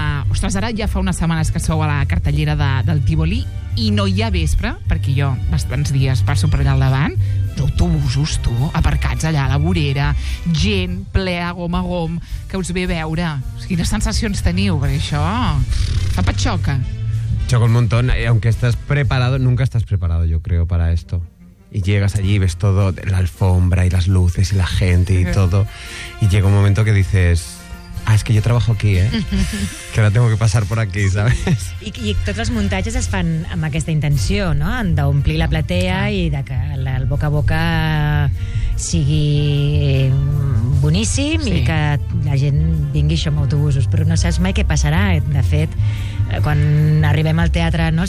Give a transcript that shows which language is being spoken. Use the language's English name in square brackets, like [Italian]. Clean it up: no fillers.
[Catalan] Ostres, ara ja fa unes setmanes que sou a la cartellera del Tívoli i no hi ha vespre, perquè jo bastants dies passo per allà al davant, d'autobusos, tu, aparcats allà a la vorera, gent ple a gom a gom, que us ve a veure. Quines sensacions teniu, perquè això fa patxoca. [Spanish] Choca un montón, aunque estás preparado, nunca estás preparado, yo creo, para esto. Y llegas allí y ves todo, la alfombra y las luces y la gente y todo, y llega un momento que dices... [Catalan] Ah, és que jo treballo aquí, eh? Que ara tengo que passar per aquí, ¿sabes? I tots els muntatges es fan amb aquesta intenció, no? D'omplir la platea i de que el boca a boca sigui boníssim, sí. I que la gent vingui això amb autobusos. Però no saps mai què passarà. De fet, quan arribem al teatre, no?